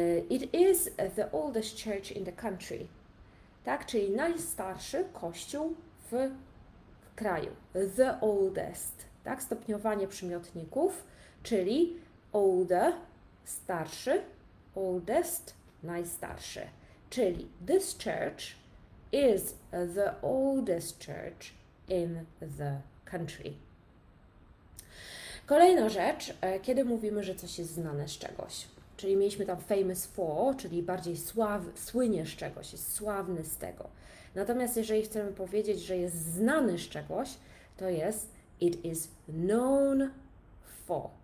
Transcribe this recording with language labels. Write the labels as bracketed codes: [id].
[en] It is the oldest church in the country. [pl] Tak? Czyli najstarszy kościół w kraju. [en] The oldest. [pl] Tak? Stopniowanie przymiotników, czyli older, starszy, oldest, najstarszy. Czyli [en] this church is the oldest church in the country. [pl] Kolejna rzecz, kiedy mówimy, że coś jest znane z czegoś. Czyli mieliśmy tam famous for, czyli bardziej słynie z czegoś, jest sławny z tego. Natomiast jeżeli chcemy powiedzieć, że jest znany z czegoś, to jest [en] it is known for.